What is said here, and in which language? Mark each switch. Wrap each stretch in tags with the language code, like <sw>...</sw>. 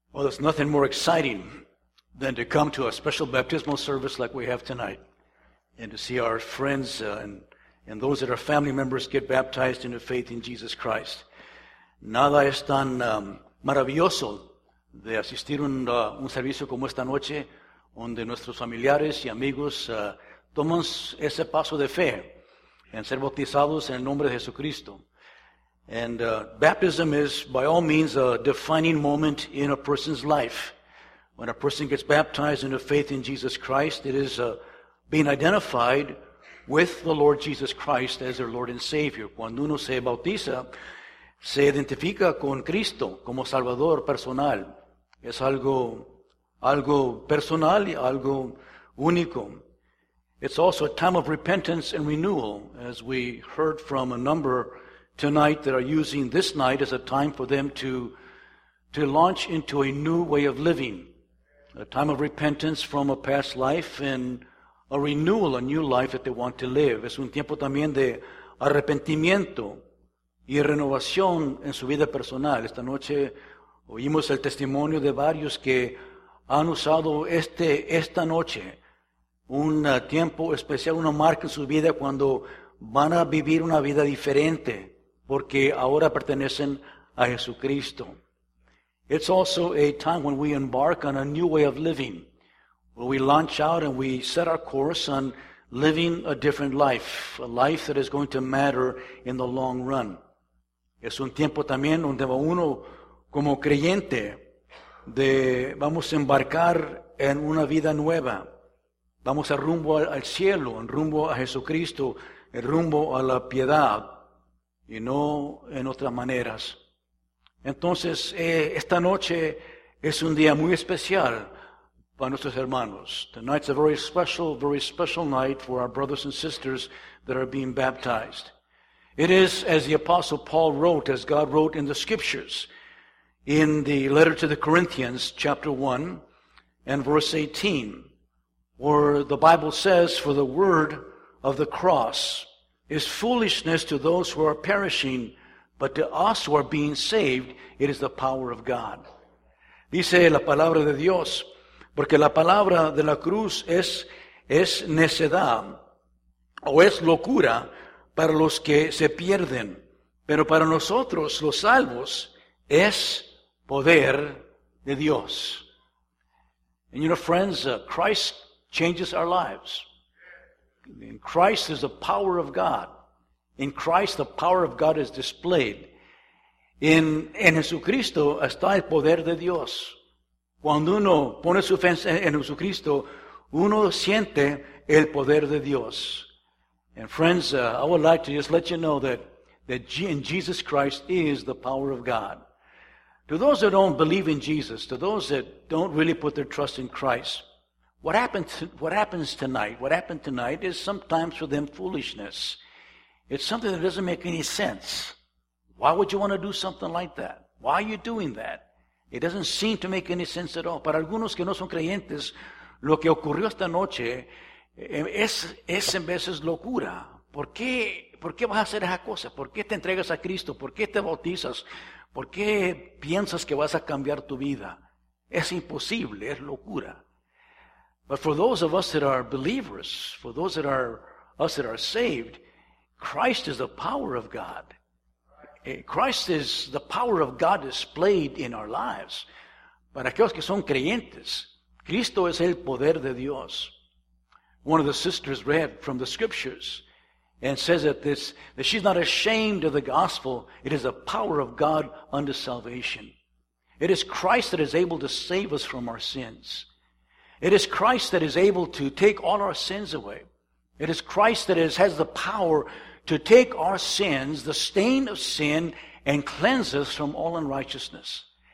<en>Well, there's nothing more exciting than to come to a special baptismal service like we have tonight and to see our friends and those that are family members get baptized into faith in Jesus Christ.</en> <es>Nada es tan maravilloso de asistir a un servicio como esta noche donde nuestros familiares y amigos toman ese paso de fe en ser bautizados en el nombre de Jesucristo.</es> <en>And baptism is, by all means, a defining moment in a person's life. When a person gets baptized into faith in Jesus Christ, it is being identified with the Lord Jesus Christ as their Lord and Savior.</en> <es>Cuando uno se bautiza, se identifica con Cristo como Salvador personal. Es algo personal y algo único.</es> <en>It's also a time of repentance and renewal, as we heard from a number tonight that are using this night as a time for them to launch into a new way of living, a time of repentance from a past life and a renewal, a new life that they want to live.</en> <es>Es un tiempo también de arrepentimiento y renovación en su vida personal. Esta noche oímos el testimonio de varios que han usado esta noche un tiempo especial, una marca en su vida cuando van a vivir una vida diferente, porque ahora pertenecen a Jesucristo.</es> <en>It's also a time when we embark on a new way of living, where we launch out and we set our course on living a different life, a life that is going to matter in the long run.</en> <es>Es un tiempo también donde uno, como creyente, vamos a embarcar en una vida nueva. Vamos a rumbo al cielo, en rumbo a Jesucristo, en rumbo a la piedad, y no en otras maneras. Entonces, esta noche es un día muy especial para nuestros hermanos.</es> <en>Tonight's a very special night for our brothers and sisters that are being baptized. It is, as the Apostle Paul wrote, as God wrote in the Scriptures, in the letter to the Corinthians, chapter 1, and verse 18, where the Bible says, "For the word of the cross is foolishness to those who are perishing, but to us who are being saved, it is the power of God."</en> <es>Dice la palabra de Dios, porque la palabra de la cruz es necedad, o es locura para los que se pierden, pero para nosotros, los salvos, es poder de Dios.</es> <en>And you know, friends, Christ changes our lives. In Christ is the power of God. In Christ, the power of God is displayed.</en> <es>En Jesucristo está el poder de Dios. Cuando uno pone su fe en Jesucristo, uno siente el poder de Dios.</es> <en>And friends, I would like to just let you know that in Jesus Christ is the power of God. To those that don't believe in Jesus, to those that don't really put their trust in Christ, What happened tonight is sometimes for them foolishness. It's something that doesn't make any sense. Why would you want to do something like that? Why are you doing that? It doesn't seem to make any sense at all.</en> <es>Para algunos que no son creyentes, lo que ocurrió esta noche es en veces locura. ¿Por qué vas a hacer esa cosa? ¿Por qué te entregas a Cristo? ¿Por qué te bautizas? ¿Por qué piensas que vas a cambiar tu vida? Es imposible, es locura.</es> <en>But for those of us that are believers, for those that are us that are saved, Christ is the power of God. Christ is the power of God displayed in our lives.</en> <es>Para aquellos que son creyentes, Cristo es el poder de Dios.</es> <en>One of the sisters read from the Scriptures and says that she's not ashamed of the gospel. It is the power of God unto salvation. It is Christ that is able to save us from our sins. It is Christ that is able to take all our sins away. It is Christ that has the power to take our sins, the stain of sin, and cleanse us from all unrighteousness.</en>